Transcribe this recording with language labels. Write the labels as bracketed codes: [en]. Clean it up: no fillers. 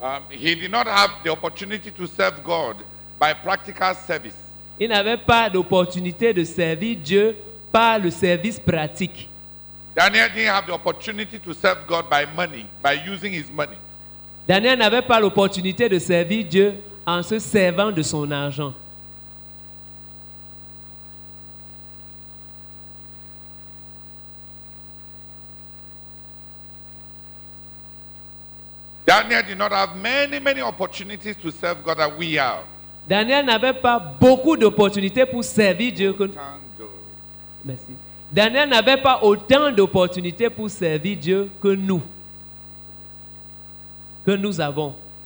[en] He did not have the opportunity to serve God by practical service. [fr] Il n'avait pas d'opportunité de servir Dieu par le service pratique. [en] Daniel didn't have the opportunity to serve God by money, by using his money. [fr] Daniel n'avait pas l'opportunité de servir Dieu en se servant de son argent. [en] Daniel did not have many, many opportunities to serve God that we have. [fr] Daniel n'avait pas beaucoup d'opportunités pour servir Dieu que nous. Merci. Daniel n'avait pas autant d'opportunités pour servir Dieu que nous. Que nous avons.